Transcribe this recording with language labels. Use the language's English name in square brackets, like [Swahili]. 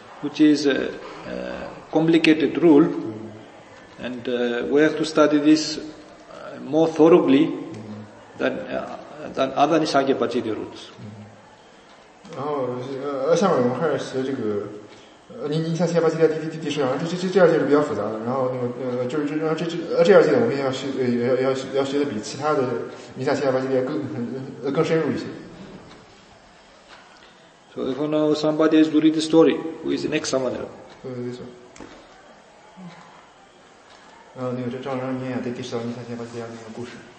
[English] which is a complicated rule, and we have to study this more thoroughly than other Nisargya Pachidya roots. [Chinese] 然后下面我们开始学这个，尼萨西亚巴基亚第一第十章，这二阶的我们要学的比其他的尼萨西亚巴基亚更深入一些。So [English] if you know somebody is reading the story, who is the next samana? [Chinese] 然后这章章念第十章尼萨西亚巴基亚那个故事。